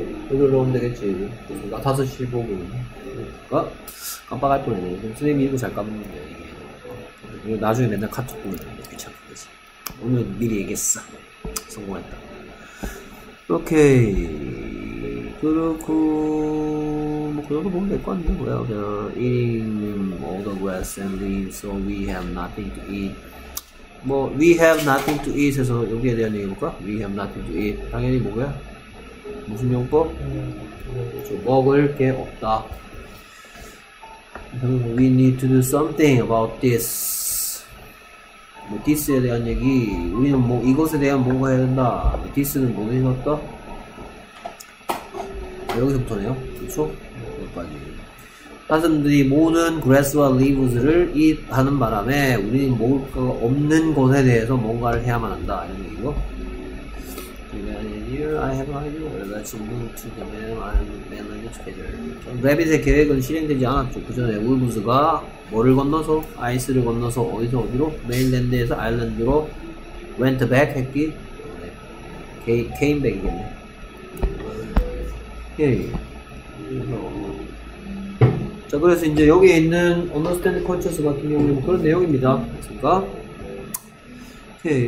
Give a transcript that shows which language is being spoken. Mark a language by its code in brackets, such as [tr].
[ko] 오늘로 오면 되겠지. 나 5시 보고. 그니까, 깜빡할 뻔 했네. 선생님이 이거 잘 까먹는데. 나중에 맨날 카톡 보면 되는데, 귀찮고 그러지. 오늘 미리 얘기했어. 성공했다. 오케이. 그렇고, 뭐, 그 정도 보면 될 것 같네. [en] Well, they're eating all the grass and leaves, so we have nothing to eat. [ko] 뭐, [en] we have nothing to eat [ko] 해서 여기에 대한 얘기 볼까? [en] We have nothing to eat. [ko] 당연히 뭐야? 무슨 용법? 먹을 게 없다. [en] We need to do something about this. [ko] 뭐, this에 대한 얘기. 우리는 뭐, 이것에 대한 뭔가 해야 된다. this는 뭐든 해놨다? 여기서부터네요. 그쵸? 여기까지. 사슴들이 모든 grass와 leaves를 eat 하는 바람에 우리는 먹을 거 없는 것에 대해서 뭔가를 해야만 한다. 이런 얘기고. [en] I have an idea. Let's move to the man on the trail. [ko] 래빗의 계획은 실행되지 않았죠. 그 전에 울브즈가 뭐를 건너서? 아이스를 건너서 어디서 어디로? 메인랜드에서 아일랜드로 went back 했기? 네. came back이겠네. 예. 자, 그래서 이제 여기 있는 Understand Conscious 같은 경우는 그런 내용입니다. 그니까. 오케이.